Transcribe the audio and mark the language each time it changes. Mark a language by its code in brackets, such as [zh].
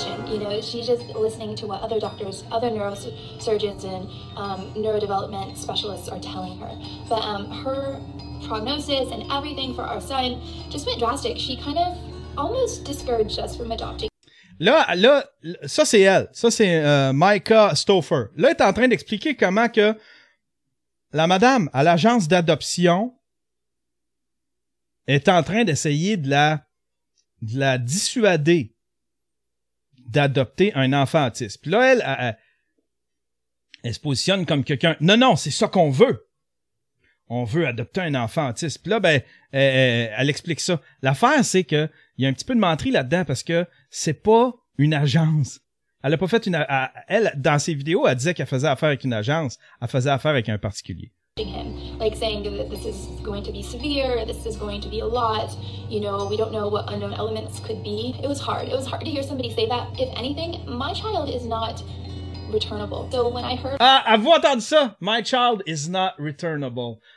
[en] You know, she's just listening to what other doctors, other neurosurgeons and neurodevelopment specialists are telling her. But her prognosis and everything for our son just went drastic. She kind of almost discouraged us from adopting. [fr] Là, ça c'est elle. Ça c'est Micah Stouffer. Là, elle est en train d'expliquer comment que la madame à l'agence d'adoption est en train d'essayer de la dissuader d'adopter un enfant autiste. Puis là, elle se positionne comme quelqu'un. Non, non, c'est ça qu'on veut. On veut adopter un enfant autiste. Puis là, ben, elle explique ça. L'affaire, c'est que il y a un petit peu de menterie là-dedans parce que c'est pas une agence. Elle a pas fait une. Elle, dans ses vidéos, elle disait qu'elle faisait affaire avec une agence. Elle faisait affaire avec un particulier. [en] Him, like saying that this is going to be severe, this is going to be a lot, you know, we don't know what unknown elements could be. It was hard. It was hard to hear somebody say that. If anything, my child is not returnable. So when I heard... [fr] Avez-vous entendu ça? [en] My child is not returnable.